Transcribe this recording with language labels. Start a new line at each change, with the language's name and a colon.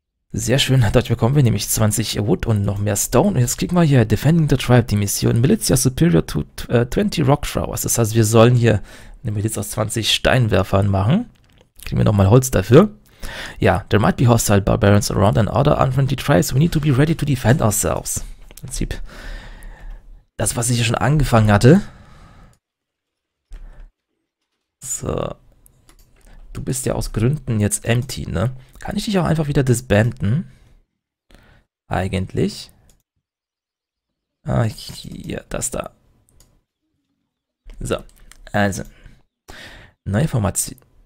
German: Sehr schön, dadurch bekommen wir nämlich 20 Wood und noch mehr Stone. Und jetzt kriegen wir hier Defending the Tribe, die Mission Militia Superior to 20 Rock Throwers. Das heißt, wir sollen hier eine Miliz aus 20 Steinwerfern machen. Kriegen wir nochmal Holz dafür.
English: Ja, there might be hostile barbarians around and other unfriendly tribes. We need to be ready to defend ourselves.
German: Im Prinzip. Das, was ich hier schon angefangen hatte. So. Du bist ja aus Gründen jetzt empty, ne? Kann ich dich auch einfach wieder disbanden? Eigentlich. Ah, hier, das da. So. Also. Neue Formation.